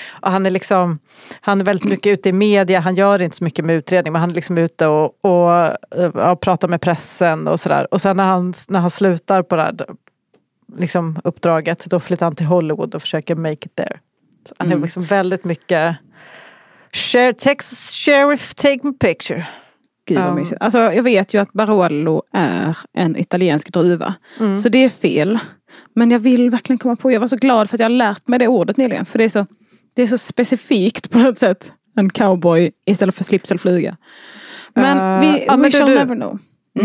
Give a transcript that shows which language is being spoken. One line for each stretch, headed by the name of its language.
Swedish: Och han är liksom, han är väldigt mycket ute i media, han gör inte så mycket med utredning, men han är liksom ute och pratar med pressen och sådär. Och sen när han slutar på det här liksom uppdraget, då flyttar han till Hollywood och försöker make it there. Så han är liksom väldigt mycket...
English: Texas Sheriff, take my picture.
Swedish: Gud vad mysigt. Alltså, jag vet ju att Barolo är en italiensk druva. Mm. Så det är fel. Men jag vill verkligen komma på. Jag var så glad för att jag har lärt mig det ordet nyligen. För det är så specifikt på något sätt. En cowboy istället för slips eller flyga.
English: Men we shall never know. Mm.